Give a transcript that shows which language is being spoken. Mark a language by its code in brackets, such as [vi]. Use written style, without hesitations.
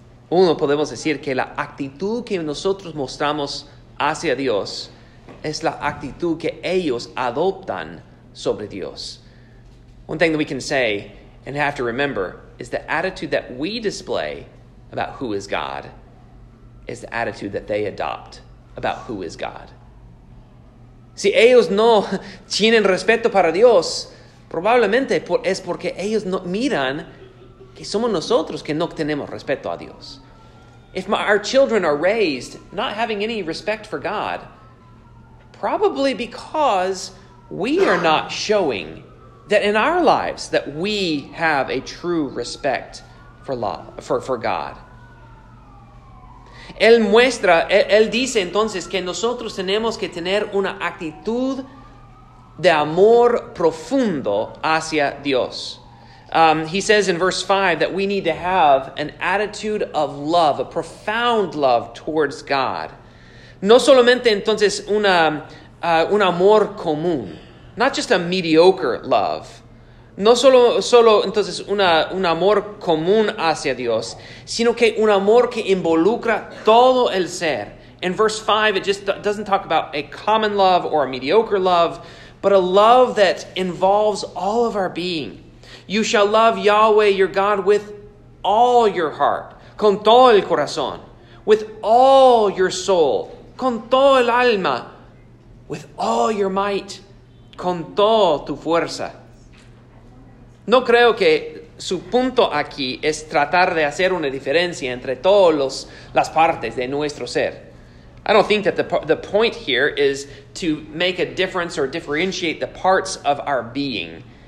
[es] Uno, podemos decir que la actitud que nosotros mostramos hacia Dios es la actitud que ellos adoptan sobre Dios. [en] One thing that we can say and have to remember is the attitude that we display about who is God is the attitude that they adopt about who is God. [es] Si ellos no tienen respeto para Dios, probablemente es porque ellos no miran que somos nosotros que no tenemos respeto a Dios. [en] If our children are raised not having any respect for God, probably because we are not showing that in our lives that we have a true respect for law, for God. [es] Él dice entonces que nosotros tenemos que tener una actitud de amor profundo hacia Dios. [en] He says in verse 5 that we need to have an attitude of love, a profound love towards God. [es] No solamente entonces un amor común, [en] not just a mediocre love. [es] No solo entonces un amor común hacia Dios, sino que un amor que involucra todo el ser. [en] In verse 5, it just doesn't talk about a common love or a mediocre love, but a love that involves all of our being. You shall love Yahweh your God with all your heart, [es] con todo el corazón, [en] with all your soul, [es] con todo el alma, [en] with all your might, [es] con toda tu fuerza. [en] No creo que su punto aquí es tratar de hacer una diferencia entre todas las partes de nuestro ser. I don't think that the point here is to make a difference or differentiate the parts of our being.